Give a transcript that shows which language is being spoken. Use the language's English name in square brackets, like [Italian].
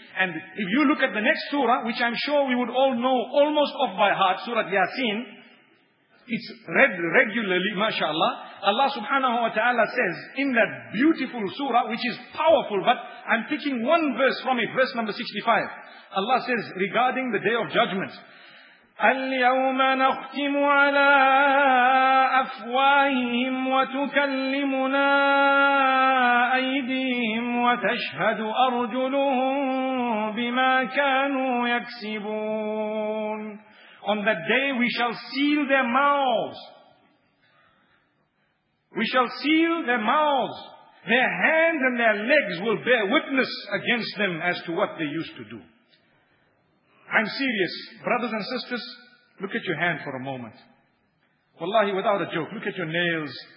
[English] And if you look at the next surah, which I'm sure we would all know almost off by heart, Surah Yasin, it's read regularly, mashallah. Allah subhanahu wa ta'ala says in that beautiful surah, which is powerful, but I'm picking one verse from it, verse number 65. Allah says regarding the day of judgment, [Arabic] الْيَوْمَ نَخْتِمُ عَلَىٰ أَفْوَاهِهِمْ وَتُكَلِّمُنَا أَيْدِيهِمْ وَتَشْهَدُ أَرْجُلُهُمْ بِمَا كَانُوا يَكْسِبُونَ. [English] On that day we shall seal their mouths. We shall seal their mouths. Their hands and their legs will bear witness against them as to what they used to do. I'm serious. Brothers and sisters, look at your hand for a moment. Wallahi, without a joke, look at your nails.